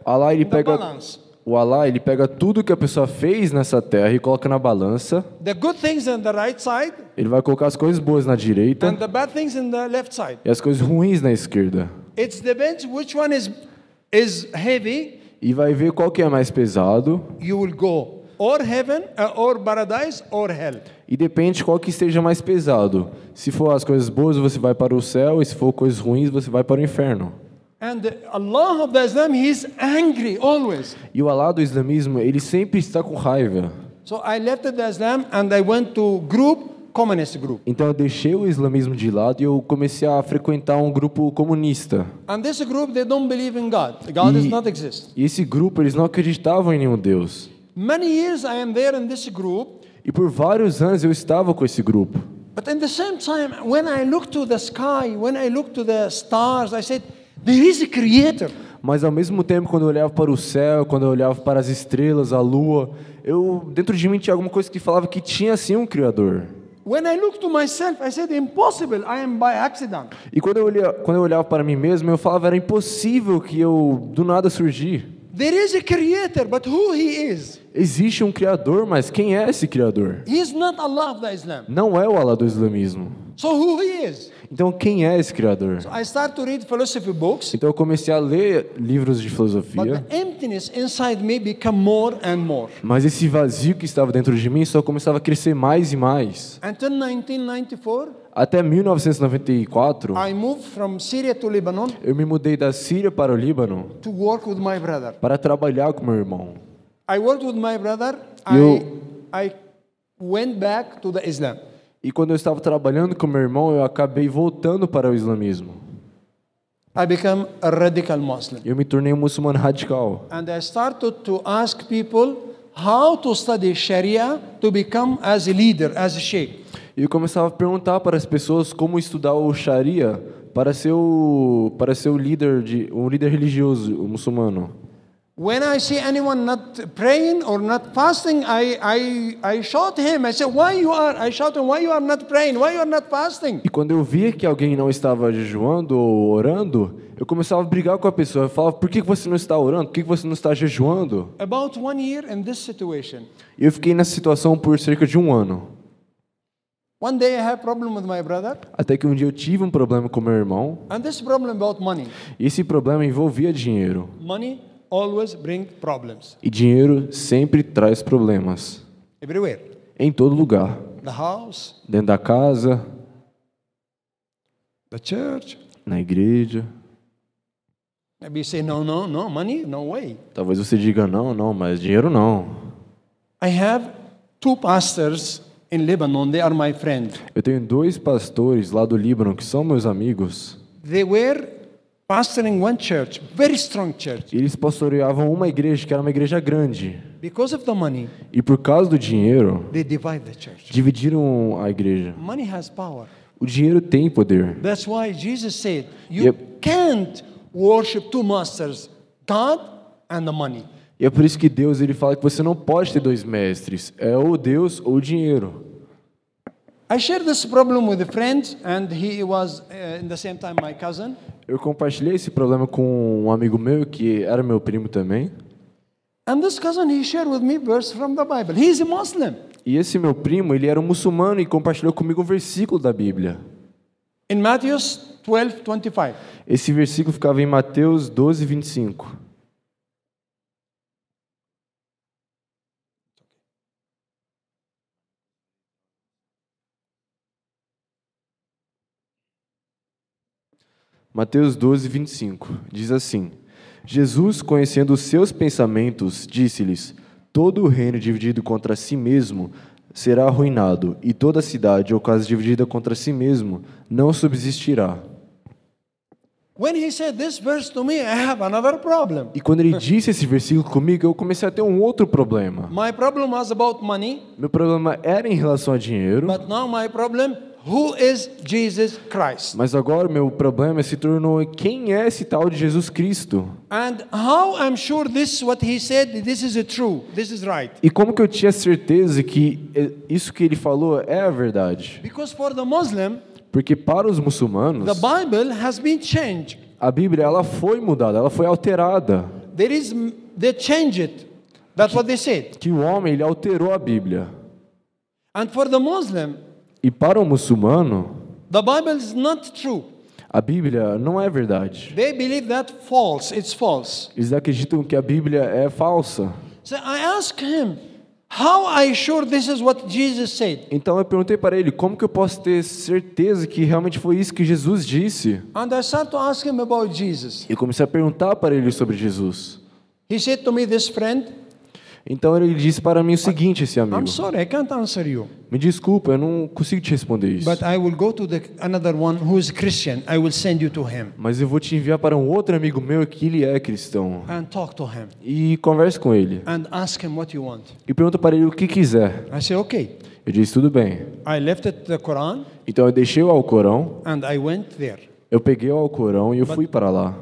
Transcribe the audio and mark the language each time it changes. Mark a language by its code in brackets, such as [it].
[pt] Allah, ele pega [en] the balance. [pt] O Allah, ele pega tudo que a pessoa fez nessa terra e coloca na balança. [en] The good things on the right side. [pt] Ele vai colocar as coisas boas na direita. [en] And the bad things on the left side. [pt] E as coisas ruins na esquerda. [en] It's the bench which one is heavy. [pt] E vai ver qual que é mais pesado. [en] You will go or heaven or paradise or hell. [pt] E depende qual que esteja mais pesado. Se for as coisas boas, você vai para o céu, e se for coisas ruins, você vai para o inferno. [en] And Allah of the Islam, he is angry always. [pt] E o Allah do islamismo, ele sempre está com raiva. [en] So I left the Islam and I went to communist group. [pt] Então eu deixei o islamismo de lado e eu comecei a frequentar um grupo comunista. [en] And this group, they don't believe in God. God does not exist. [pt] E esse grupo, eles não acreditavam em nenhum Deus. [en] Many years I am there in this group. [pt] E por vários anos eu estava com esse grupo. [en] But at the same time, when I look to the sky, when I look to the stars, I said, there is a creator. [pt] Mas ao mesmo tempo, quando eu olhava para o céu, quando eu olhava para as estrelas, a lua, eu dentro de mim tinha alguma coisa que falava que tinha sim um criador. [en] When I looked to myself, I said, impossible. I am by accident. [pt] E quando eu olhava para mim mesmo, eu falava era impossível que eu do nada surgi. [en] There is a creator, but who he is? [pt] Existe um criador, mas quem é esse criador? [en] He is not Allah of the Islam. [pt] Não é o Allah do islamismo. [en] So who he is? [pt] Então quem é esse criador? [en] So I start to read philosophy books. [pt] Então eu comecei a ler livros de filosofia. [en] But the emptiness inside me became more and more. [pt] Mas esse vazio que estava dentro de mim só começava a crescer mais e mais. [en] Until 1994. [pt] Até 1994. [en] I moved from Syria to Lebanon. [pt] Eu me mudei da Síria para o Líbano. [en] To work with my brother. [pt] Para trabalhar com meu irmão. [en] I worked with my brother. I went back to the Islam. [pt] E quando eu estava trabalhando com meu irmão, eu acabei voltando para o islamismo. [en] I became a radical Muslim. [pt] Eu me tornei um muçulmano radical. [en] And I started to ask people how to study Sharia to become as a leader, as a sheikh. [pt] E eu começava a perguntar para as pessoas como estudar o Sharia para ser o líder de um líder religioso, um muçulmano. [en] When I see anyone not praying or not fasting, I shout him. I say, why you are? I shout him, why you are not praying? Why you are not fasting? [pt] E quando eu via que alguém não estava jejuando ou orando, eu começava a brigar com a pessoa. Eu falava, por que você não está orando? Por que você não está jejuando? [en] About 1 year in this situation. [pt] Eu fiquei nessa situação por cerca de 1 ano. [en] One day I had a problem with my brother. [pt] Até que um dia eu tive um problema com meu irmão. [en] And this problem about money. [pt] Esse problema envolvia dinheiro. [en] Money always bring problems. [pt] E dinheiro sempre traz problemas. [en] Everywhere. [pt] Em todo lugar. [en] The house. [pt] Dentro da casa. [en] The church. [pt] Na igreja. [en] Maybe you say no, money, no way. [pt] Talvez você diga não, mas dinheiro não. [en] I have 2 pastors in Lebanon. They are my friend. [pt] Eu tenho 2 pastores lá do Líbano que são meus amigos. [en] They were pastoring one church, very strong church. [pt] Eles pastoreavam uma igreja que era uma igreja grande. [en] Because of the money. [pt] E por causa do dinheiro. [en] They divide the church. [pt] Dividiram a igreja. [en] Money has power. [pt] O dinheiro tem poder. [en] That's why Jesus said, you can't worship 2 masters, God and the money. [pt] E é por isso que Deus ele fala que você não pode ter 2 mestres, é ou Deus ou o dinheiro. [en] I shared this problem with a friend and he was in the same time my cousin. [pt] Eu compartilhei esse problema com um amigo meu que era meu primo também. [en] And this cousin he shared with me verse from the Bible. He is a Muslim. [pt] E esse meu primo, ele era um muçulmano e compartilhou comigo um versículo da Bíblia. [en] In Matthew 12:25. [pt] Esse versículo ficava em Mateus 12:25. Mateus 12:25 diz assim: Jesus, conhecendo os seus pensamentos, disse-lhes: todo o reino dividido contra si mesmo será arruinado, e toda a cidade ou casa dividida contra si mesmo não subsistirá. [en] When he said this verse to me, I have another problem. [pt] E quando ele disse esse versículo comigo, eu comecei a ter um outro problema. [en] My problem was about money. [pt] Meu problema era em relação a dinheiro. [en] But now my problem, who is Jesus Christ? [pt] Mas agora meu problema se tornou quem é esse tal de Jesus Cristo? [en] And how I'm sure this what he said, this is true, this is right. [pt] E como que eu tinha certeza que isso que ele falou é a verdade? [en] Because for the Muslim, [pt] porque para os muçulmanos, [en] the Bible has been changed. [pt] A Bíblia ela foi mudada, ela foi alterada. [en] There is they changed it. That's what they said. [pt] Que o homem ele alterou a Bíblia. [en] And for the Muslim, [pt] e para o muçulmano, [en] the Bible is not true. [pt] A Bíblia não é verdade. [en] They believe that false. It's false. [pt] Eles acreditam que a Bíblia é falsa. [en] So I ask him, how are you sure this is what Jesus said? [pt] Então eu perguntei para ele, como que eu posso ter certeza que realmente foi isso que Jesus disse? [en] And I started to ask him about Jesus. [pt] E comecei a perguntar para ele sobre Jesus. [en] He said to me this friend. [pt] Então ele disse para mim o seguinte, esse amigo. [en] I'm sorry, I can't answer you. [pt] Me desculpa, eu não consigo te responder isso. [en] But I will go to the another one who is Christian. I will send you to him. [pt] Mas eu vou te enviar para um outro amigo meu que ele é cristão. [en] And talk to him. [pt] E converse com ele. [en] And ask him what you want. [pt] E pergunta para ele o que quiser. [en] I say okay. [pt] Eu disse tudo bem. [en] I left the Quran. [pt] Então eu deixei o Alcorão. [en] And I went there. [pt] Eu peguei o Alcorão e eu fui para lá.